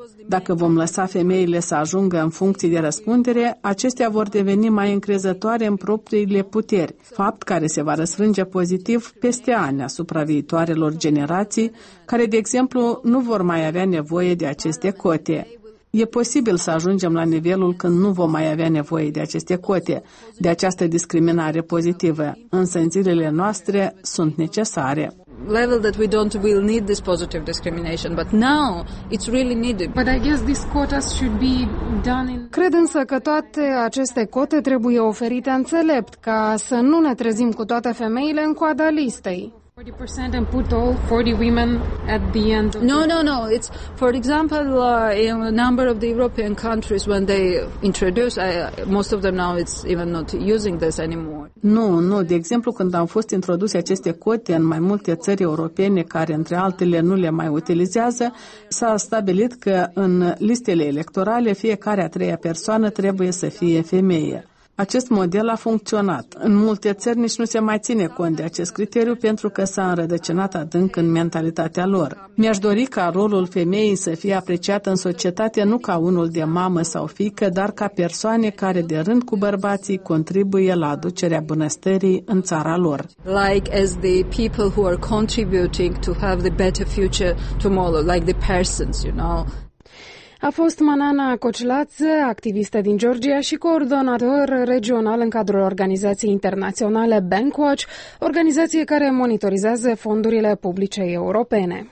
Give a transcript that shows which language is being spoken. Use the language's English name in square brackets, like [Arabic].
[Romanian] Dacă vom lăsa femeile să ajungă în funcții de răspundere, acestea vor deveni mai încrezătoare în propriile puteri, fapt care se va răsfrânge pozitiv peste ani asupra viitoarelor generații, care, de exemplu, nu vor mai avea nevoie de aceste cote. E posibil să ajungem la nivelul când nu vom mai avea nevoie de aceste cote, de această discriminare pozitivă, însă în zilele noastre sunt necesare. [English] Level that we don't will need this positive discrimination, but now it's really needed. But I guess these quotas should be done in. [Romanian] Cred însă că toate aceste cote trebuie oferite înțelept, ca să nu ne trezim cu toate femeile în coada listei. [English] 40% and put all 40 women at the end of. No. It's, for example, in a number of the European countries when they introduce, most of them now it's even not using this anymore. [Romanian] Nu. De exemplu, când au fost introduse aceste cote în mai multe țări europene care, între altele, nu le mai utilizează, s-a stabilit că în listele electorale fiecare a treia persoană trebuie să fie femeie. Acest model a funcționat. În multe țări nici nu se mai ține cont de acest criteriu pentru că s-a înrădăcinat adânc în mentalitatea lor. Mi-aș dori ca rolul femeii să fie apreciat în societate nu ca unul de mamă sau fiică, dar ca persoane care de rând cu bărbații contribuie la aducerea bunăstării în țara lor. [English] Like as the people who are contributing to have the better future tomorrow, like the persons, you know. [Romanian] A fost Manana Cocilață, activistă din Georgia și coordonator regional în cadrul organizației internaționale Bankwatch, organizație care monitorizează fondurile publice europene.